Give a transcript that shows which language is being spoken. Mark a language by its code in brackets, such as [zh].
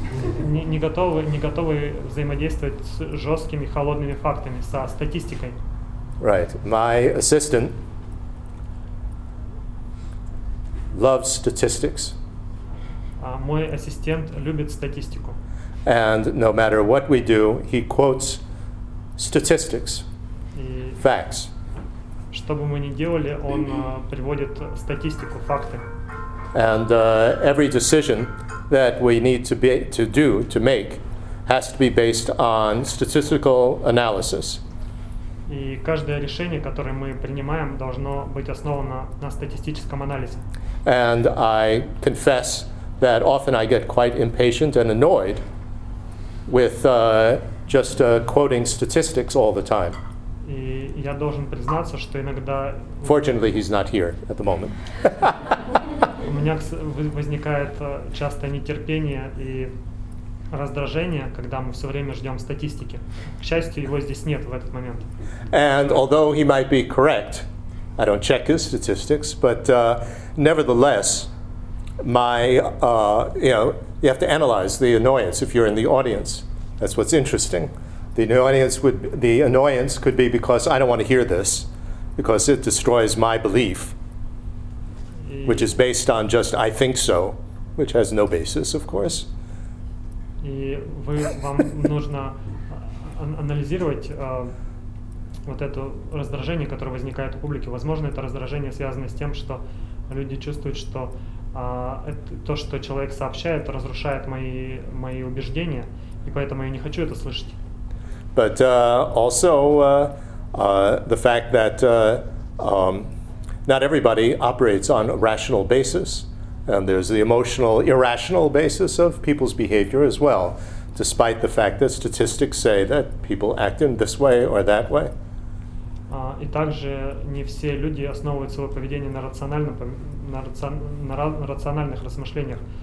[ru] не готовы взаимодействовать с жесткими, холодными фактами, со статистикой. [en] Right. My assistant loves statistics. [ru] Мой ассистент любит статистику. [en] And no matter what we do, he quotes statistics, facts. [ru] Что бы мы ни делали, он приводит статистику, факты. [en] And every decision that we need to make has to be based on statistical analysis. [ru] И каждое решение, которое мы принимаем, должно быть основано на статистическом анализе. [en] And I confess that often I get quite impatient and annoyed with just quoting statistics all the time. [ru] И я должен признаться, что иногда... [en] Fortunately, he's not here at the moment. [ru] У меня возникает часто нетерпение и раздражение, когда мы все время ждем статистики. К счастью, его здесь нет в этот момент. [en] And although he might be correct, I don't check his statistics, but nevertheless, you have to analyze the annoyance if you're in the audience. That's what's interesting. The annoyance could be because I don't want to hear this, because it destroys my belief, which is based on just I think so, which has no basis, of course. [ru] И вам нужно анализировать вот это раздражение, которое возникает у публики. Возможно, это раздражение связано с тем, что люди чувствуют, что то, что человек сообщает, разрушает мои убеждения, и поэтому я не хочу это слышать. [en] But also the fact that not everybody operates on a rational basis, and there's the emotional, irrational basis of people's behavior as well, despite the fact that statistics say that people act in this way or that way. [ru] И также не все люди основывают свое поведение на рациональных размышлениях.